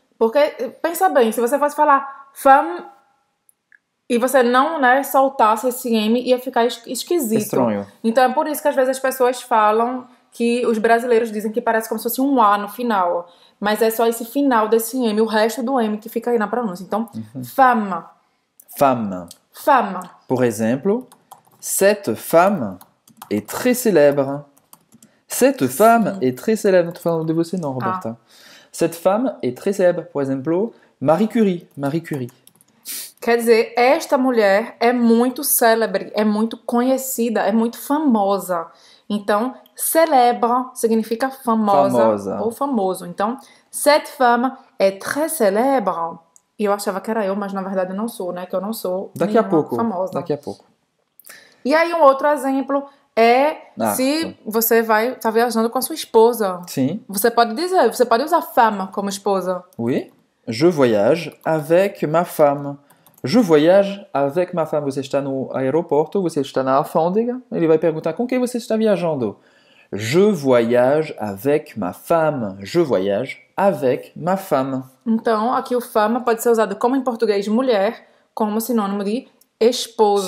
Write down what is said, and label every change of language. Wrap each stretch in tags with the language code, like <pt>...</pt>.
<pt>Porque, pensa bem, se você fosse falar femme. E você não, né, soltasse esse M, ia ficar esquisito. Estranho. Então é por isso que às vezes as pessoas falam que os brasileiros dizem que parece como se fosse um A no final. Mas é só esse final desse M, o resto do M que fica aí na pronúncia. Então, fama. Femme. Fama. Por exemplo,</pt> <fr>Cette femme est très célèbre. Cette femme est très célèbre. Enfin, de vous, c'est non, Roberta. Ah. Cette femme est très célèbre.</fr> <pt>Por exemplo, Marie Curie. Marie Curie. Quer dizer, esta mulher é muito célebre, é muito conhecida, é muito famosa. Então, célèbre significa famosa ou famoso.</pt> <fr>Então, cette femme est très célèbre.</fr> <pt>E eu achava que era eu, mas na verdade não sou, né? Que eu não sou daqui a pouco, famosa. Daqui a pouco. E aí um outro exemplo é se você vai estar viajando com a sua esposa. Sim. Você pode dizer, você pode usar femme como esposa.</pt> <fr>Oui, je voyage avec ma femme. Je voyage avec ma femme.</fr> <pt>Você está no aeroporto, você está na alfândega. Ele vai perguntar com quem você está viajando.</pt> <fr>Je voyage avec ma femme. Je voyage avec ma femme.</fr> <pt>Então, aqui o femme pode ser usado como em português mulher, como sinônimo de esposa.</pt>